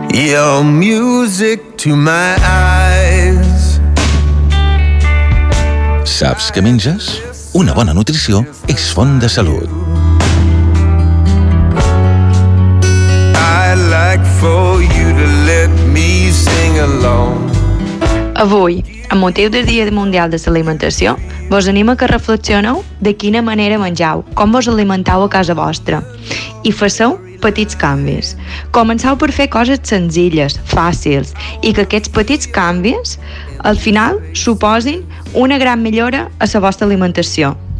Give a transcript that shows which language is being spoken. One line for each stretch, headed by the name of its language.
English: Your music to my eyes.
Catalan: Saps què menges? Una bona nutrició és font de salut.
English: I'd like for you to let me sing along.
Catalan: Avui, amb motiu del Dia Mundial de l'Alimentació, vos animo a que reflexioneu de quina manera mengeu, com vos alimenteu a casa vostra, i faceu petits canvis. Començau per fer coses senzilles, fàcils, i que aquests petits canvis al final suposin una gran millora a la vostra alimentació.